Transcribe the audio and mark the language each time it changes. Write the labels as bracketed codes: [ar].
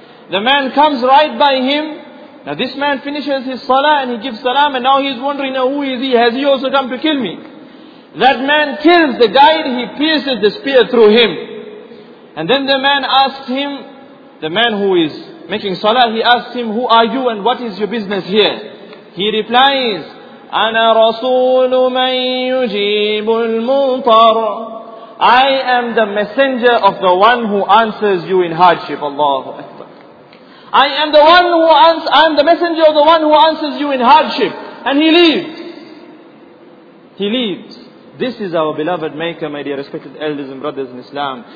[en] The man comes right by him. Now this man finishes his salah and he gives salam, and now he is wondering, now who is he? Has he also come to kill me? That man kills the guide, he pierces the spear through him. And then the man asks him, the man who is making salah, he asks him, who are you and what is your business here? He replies, [ar] أَنَا رَسُولُ مَنْ يُجِيبُ الْمُنْطَرُ. [en] I am the messenger of the one who answers you in hardship. Allahu Akbar. I am the messenger of the one who answers you in hardship. And he leaves. He leaves. This is our beloved Maker, my dear respected elders and brothers in Islam.